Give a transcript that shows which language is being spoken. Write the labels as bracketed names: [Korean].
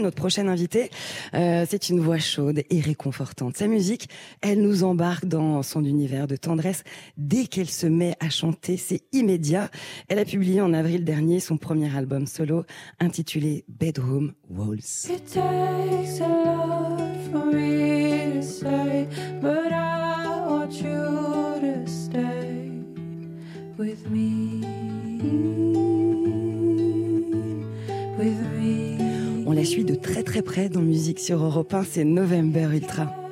[French] Notre prochaine invitée, c'est une voix chaude et réconfortante. Sa musique, elle nous embarque dans son univers de tendresse. Dès qu'elle se met à chanter, c'est immédiat. Elle a publié en avril dernier son premier album solo intitulé Bedroom Walls. [English] It takes a lot for me to say, but I want you to stay with me. With me. [French] On la suit de très très près dans Musique sur Europe 1, c'est November Ultra.